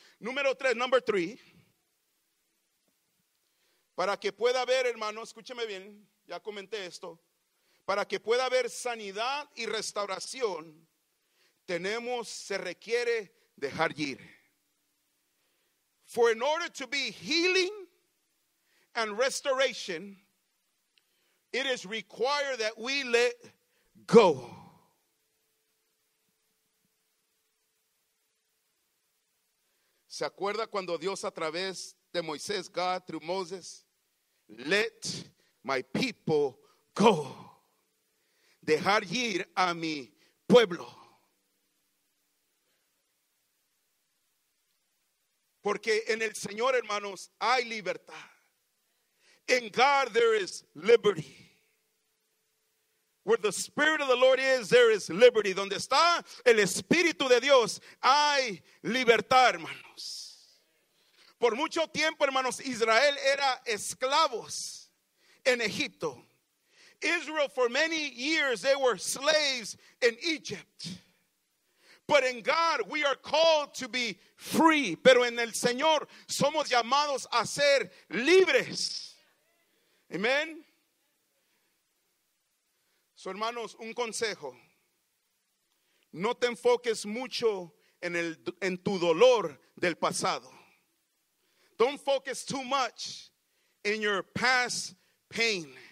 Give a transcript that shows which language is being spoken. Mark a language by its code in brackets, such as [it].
[en] Number three. [es] Para que pueda haber, hermano, escúcheme bien. Ya comenté esto. Para que pueda haber sanidad y restauración, se requiere dejar ir. [en] For in order to be healing and restoration, it is required that we let go. [es] ¿Se acuerda cuando Dios a través de Moisés, [en] God through Moses, let my people go? [es] Dejar ir a mi pueblo. Porque en el Señor, hermanos, hay libertad. [en] In God there is liberty. Where the Spirit of the Lord is, there is liberty. [es] Donde está el Espíritu de Dios, hay libertad, hermanos. Por mucho tiempo, hermanos, Israel era esclavos en Egipto. [en] Israel, for many years, they were slaves in Egypt. But in God, we are called to be free. [es] Pero en el Señor, somos llamados a ser libres. Amen. So, hermanos, un consejo. No te enfoques mucho en tu dolor del pasado. [en] Don't focus too much in your past pain.